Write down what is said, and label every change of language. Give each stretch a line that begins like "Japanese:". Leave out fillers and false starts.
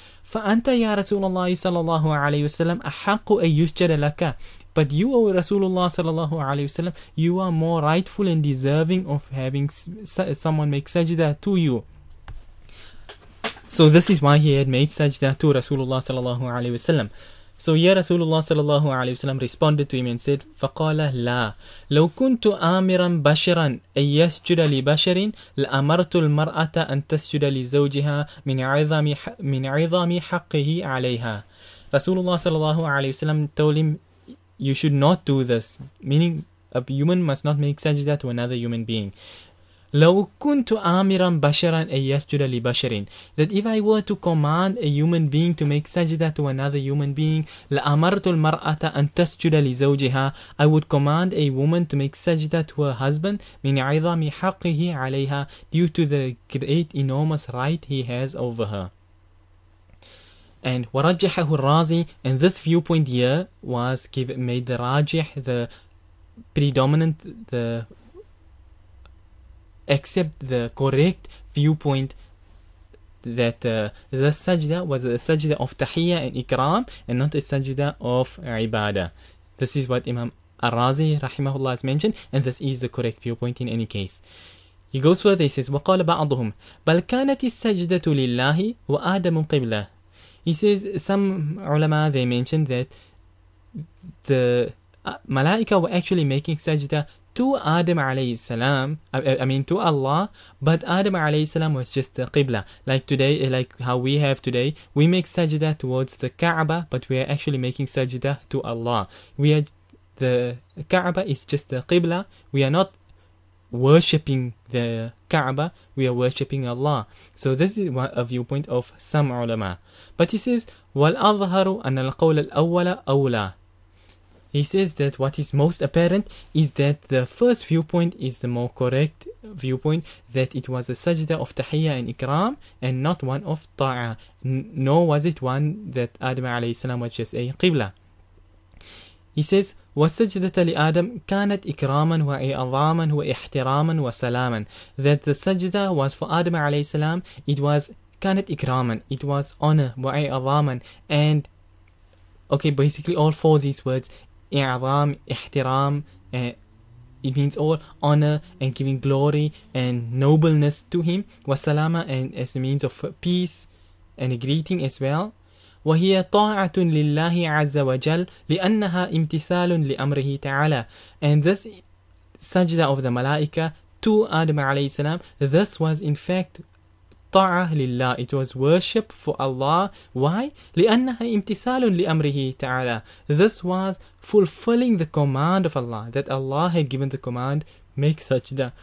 Arabic: "فَأَنْتَ يَا رَسُولَ اللَّهِ صَلَى اللَّهُ عَلَيْهِ وَسَلَّمْ أَحَقُّ أَنْ يُسْجَدَ لَكَ."
English: But you, O Rasulullah sallallahu alayhi wasallam, you are more rightful and deserving of having someone make sajda to you. So this is why he had made sajda to Rasulullah sallallahu alayhi wasallam. So here Rasulullah sallallahu alayhi wasallam responded to him and said,
Arabic: فَقَالَ لَا لَوْ كُنْتُ آمِرًا بَشِرًا أَنْ يَسْجُدَ لِبَشَرٍ لَأَمَرْتُ الْمَرْأَةَ أَنْ تَسْجُدَ لِزَوْجِهَا مِنْ عِظَامِ حَقِّهِ عَلَيْهَا.
English: Rasulullah sallallahu alayhi wasallam told him, "You should not do this," meaning a human must not make sajda to another human being.
Arabic: لَوْ كُنْتُ آمِرًا بَشَرًا أَنْ يَسْجُدَ لِبَشَرٍ,
English: that if I were to command a human being to make sajda to another human being,
Arabic: لَأَمَرْتُ الْمَرْأَةَ أَنْ تَسْجُدَ لِزَوْجِهَا,
English: I would command a woman to make sajda to her husband,
Arabic: مِنْ عِظَامِ حَقِّهِ عَلَيْهَا,
English: due to the great enormous right he has over her. And
Arabic: وَرَجَّحَهُ الرَّازِي,
English: and this viewpoint here was made the rajih, the predominant, the accept the correct viewpoint that the sajda was a sajda of tahiyya and ikram and not a sajda of ibadah. This is what Imam Ar-Razi rahimahullah has mentioned, and this is the correct viewpoint in any case. He goes further, he says,
Arabic: وَقَالَ بَعْضُهُمْ بَلْ كَانَتِ السَّجْدَةُ لِلَّهِ وَآدَمُ قِبْلَهِ.
English: He says some ulama, they mentioned that the malaika were actually making sajda to Adam alayhi salam, I mean to Allah, but Adam alayhi salam was just the qibla. Like today, like how we have today, we make sajda towards the Kaaba, but we are actually making sajda to Allah. The Kaaba is just the qibla. We are not worshipping the Kaaba, we are worshipping Allah. So this is a viewpoint of some ulama. But he says,
Arabic: وَالْأَظْهَرُ أَنَّ الْقَوْلَ الْأَوَّلَ أَوْلَى.
English: He says that what is most apparent is that the first viewpoint is the more correct viewpoint, that it was a sajda of tahiyya and ikram and not one of ta'a, nor was it one that Adam alayhi salam was just a qibla. He says,
Arabic: وَالسَّجْدَةَ لِآدَمْ كَانَتْ إِكْرَامًا وَإِعْظَامًا وَإِحْتِرَامًا وَسَلَامًا.
English: That the sajda was for Adam alayhi salam, it was
Arabic: كَانَتْ إِكْرَامًا,
English: it was honor,
Arabic: وَإِعْظَامًا,
English: and okay, basically all four of these words,
Arabic: إِعْظَام, إِحْتِرَام,
English: it means all honor and giving glory and nobleness to him,
Arabic: وَسَلَامًا,
English: and as a means of peace and a greeting as well.
Arabic: وهي طاعة لله عز وجل لأنها امتثال لأمره تعالى.
English: And this sajda of the malaika to Adam عليه السلام, this was in fact
Arabic: طاعة لله,
English: it was worship for Allah. Why?
Arabic: لأنها امتثال لأمره تعالى,
English: this was fulfilling the command of Allah, that Allah had given the command, make sajda.